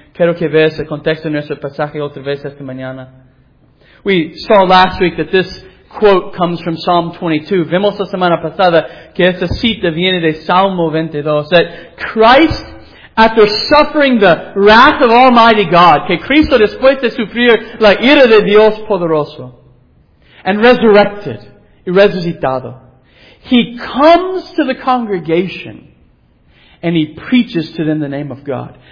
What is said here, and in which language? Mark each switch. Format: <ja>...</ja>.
<es>Quiero que veas el contexto de nuestro pasaje otra vez esta mañana.</es> <en>We saw last week that this quote comes from Psalm 22.</en> <es>Vimos la semana pasada que esta cita viene de Salmo 22.</es> <en>That Christ, after suffering the wrath of Almighty God,</en> <es>que Cristo después de sufrir la ira de Dios poderoso,</es> <en>and resurrected,</en> <es>y resucitado,</es> <en>He comes to the congregation and He preaches to them the name of God.</en>